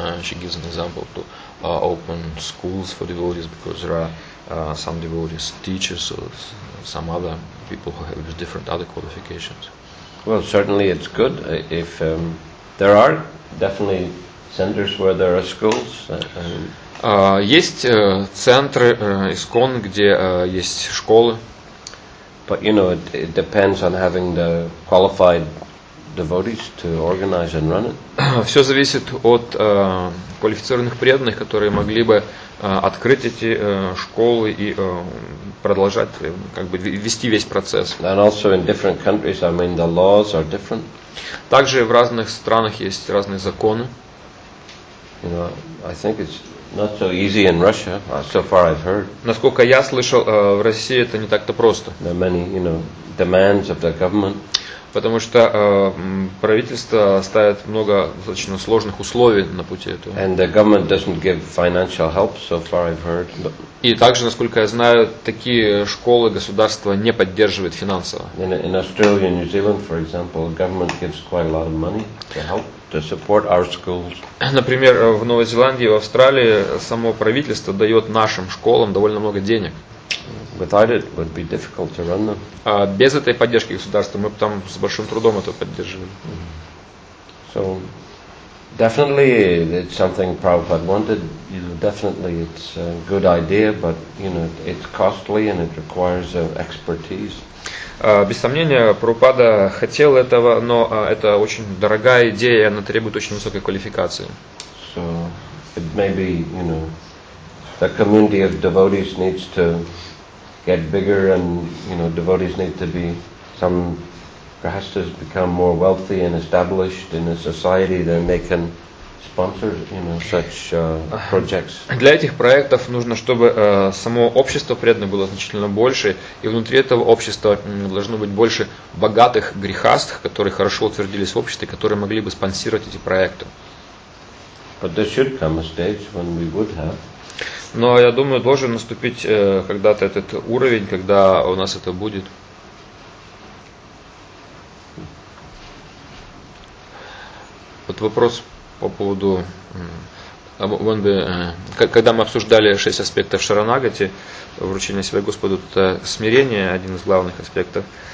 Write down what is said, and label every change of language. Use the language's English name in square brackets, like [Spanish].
[English] She gives an example to open schools for devotees, because there are some devotees, teachers, or some other people who have different other qualifications. Well, certainly it's good if there are definitely centers where there are schools. [Russian] Есть центры ИСКОН, где есть школы. [English] But you know, it depends on having the qualified devotees to organize and run it. [Russian] Все зависит от квалифицированных преданных, которые могли бы открыть эти школы и продолжать, как бы вести весь процесс. [English] And also in different countries, I mean, the laws are different. [Russian] Также в разных странах есть разные законы. [English] You know, I think it's not so easy in Russia, so far I've heard. [Russian] Насколько я слышал, в России это не так-то просто. [English] There are many, you know, demands of the government. [Russian] Потому что правительство ставит много достаточно сложных условий на пути этого. [English] And the government doesn't give financial help, so far I've heard. [Russian] И также, насколько я знаю, такие школы государство не поддерживает финансово. [English] In Australia, New Zealand, for example, government gives quite a lot of money to help. To support our schools. [Russian] Например, в Новой Зеландии, в Австралии само правительство дает нашим школам довольно много денег. [English] Without it would be difficult to run them. [Russian] А без этой поддержки государства мы бы там с большим трудом это поддерживали. [English] So definitely it's something Prabhupada wanted. You know, definitely it's a good idea, but you know, it's costly and it requires expertise. [Russian] Без сомнения, Прабхупада хотел этого, но это очень дорогая идея, и она требует очень высокой квалификации. [English] So, it may be, you know, the community of devotees needs to get bigger, and you know, devotees need to be some grahasthas become more wealthy and established in a society, then they can sponsor, you know, such projects. [Russian] Для этих проектов нужно, чтобы само общество преданных было значительно больше, и внутри этого общества должно быть больше богатых грехастх, которые хорошо утвердились в обществе, которые могли бы спонсировать эти проекты. [English] But there should come a stage when we would have. [Russian] Но я думаю, должен наступить когда-то этот уровень, когда у нас это будет. Вот вопрос по поводу, когда мы обсуждали шесть аспектов шаранагати, вручение себя Господу, это смирение, один из главных аспектов.